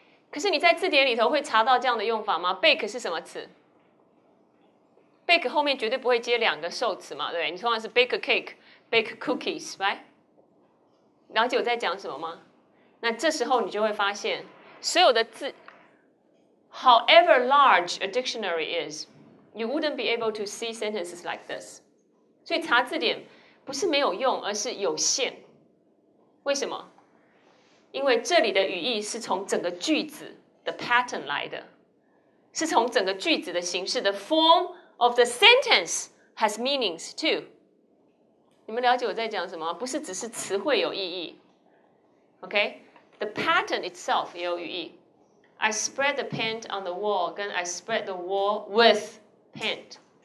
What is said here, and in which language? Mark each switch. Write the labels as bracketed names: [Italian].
[Chinese] 可是你在字典里头会查到这样的用法吗 ?bake 是什么词Bake 后面绝对不会接两个受词嘛，对不对？你通常是 [English] bake a cake, bake cookies, right? [Chinese] 了解我在讲什么吗？那这时候你就会发现，所有的字 [English] ，however large a dictionary is, you wouldn't be able to see sentences like this. [Chinese] 所以查字典不是没有用，而是有限。为什么？因为这里的语义是从整个句子的 pattern 来的，是从整个句子的形式的 form。 [English] Of the sentence has meanings too. [Chinese] 你们了解我在讲什么？不是只是词汇有意义 ，OK? [English] The pattern itself [Chinese] 也有语义。 [English] I spread the paint on the wall, [Chinese] 跟 [English] I spread the wall with paint.